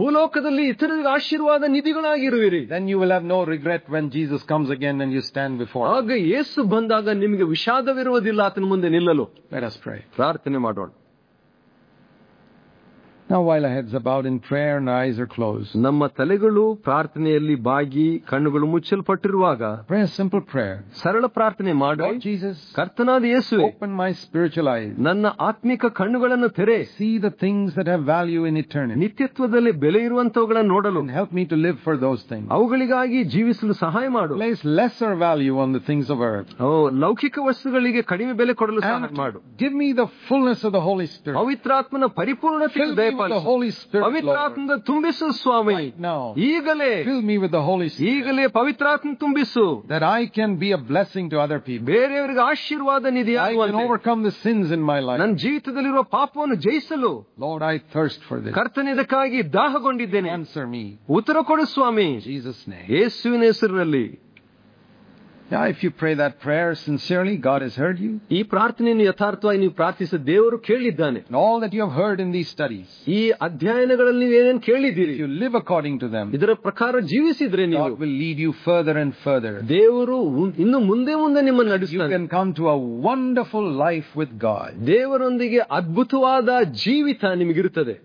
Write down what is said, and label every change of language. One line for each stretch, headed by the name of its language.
Kannada: Bhulokadalli itharige aashirvada nidigalagiruviri.
English: Then you will have no regret when Jesus comes again and you stand before him.
Kannada: Aga Yesu bandaga nimge vishadaviruvudilla athana munde.
English: Let us pray.
Kannada: ಪ್ರಾರ್ಥನೆ ಮಾಡೋಣ.
English: Now while our heads are bowed in prayer and our eyes are closed.
Kannada: ನಮ್ಮ ತಲೆಗಳು ಪ್ರಾರ್ಥನೆಯಲ್ಲಿ ಬಾಗಿ ಕಣ್ಣುಗಳು ಮುಚ್ಚಲ್ಪಟ್ಟಿರುವಾಗ.
English: Pray a simple prayer.
Kannada: ಸರಳ ಪ್ರಾರ್ಥನೆ ಮಾಡು.
English: Lord Jesus.
Kannada: ಕರ್ತನಾದ ಯೇಸುವೇ.
English: Open my spiritual eyes.
Kannada: ನನ್ನ ಆತ್ಮಿಕ ಕಣ್ಣುಗಳನ್ನು ತೆರೆ.
English: See the things that have value in eternity.
Kannada: ನಿತ್ಯತ್ವದಲ್ಲಿ ಬೆಲೆ ಇರುವಂತವುಗಳನ್ನು ನೋಡಲು.
English: And help me to live for those things.
Kannada: ಅವುಗಳಿಗಾಗಿ ಜೀವಿಸಲು ಸಹಾಯ ಮಾಡು.
English: Place lesser value on the things of earth.
Kannada: ಓ ಲೌಕಿಕ ವಸ್ತುಗಳಿಗೆ ಕಡಿಮೆ ಬೆಲೆ ಕೊಡಲು ಸಹಾಯ ಮಾಡು.
English: Give me the fullness of the Holy Spirit.
Kannada: ಪವಿತ್ರಾತ್ಮನ ಪರಿಪೂರ್ಣತೆ ದಯಪಾಲಿಸು.
English: The Holy Spirit,
Kannada: ಪವಿತ್ರಾತ್ಮದ ತುಂಬಿಸು ಸ್ವಾಮಿ. ಈಗಲೇ
English: fill me with the Holy Spirit.
Kannada: ಈಗಲೇ ಪವಿತ್ರಾತ್ಮ ತುಂಬಿಸು.
English: That I can be a blessing to other people.
Kannada: ಬೇರೆಯವರಿಗೆ ಆಶೀರ್ವಾದ ನಿಧಿಯಾಗುವಂತೆ.
English: I can overcome the sins in my life.
Kannada: ನನ್ನ ಜೀವಿತದಲ್ಲಿರುವ ಪಾಪವನ್ನು ಜಯಿಸಲು.
English: Lord, I thirst for this.
Kannada: ಕರ್ತನೇ ಇದಕ್ಕಾಗಿ ದಾಹಗೊಂಡಿದ್ದೇನೆ.
English: Answer me.
Kannada: ಉತ್ತರ ಕೊಡು ಸ್ವಾಮಿ.
English: Jesus name.
Kannada: ಯೇಸುವಿನ ಹೆಸರಿನಲ್ಲಿ.
English: Yeah, if you pray that prayer sincerely, God has heard you.
Kannada: ಈ ಪ್ರಾರ್ಥನೆಯನ್ನು ಯಥಾರ್ಥವಾಗಿ ನೀವು ಪ್ರಾರ್ಥಿಸಿದ ದೇವರು ಕೇಳಿದ್ದಾನೆ.
English: All that you have heard in these studies.
Kannada: ಈ ಅಧ್ಯಯನಗಳಲ್ಲಿ ನೀವು ಏನೇನು ಕೇಳಿದ್ದೀರಿ?
English: You live according to them.
Kannada: ಇದರ ಪ್ರಕಾರ ಜೀವಿಸಿದ್ರೆ ನೀವು.
English: God will lead you further and further.
Kannada: ದೇವರು ಇನ್ನು ಮುಂದೆ ಮುಂದೆ ನಿಮ್ಮನ್ನು ನಡೆಸುತ್ತಾನೆ.
English: You can come to a wonderful life with God.
Kannada: ದೇವರೊಂದಿಗೆ ಅದ್ಭುತವಾದ ಜೀವಿತ ನಿಮಗಿರುತ್ತದೆ.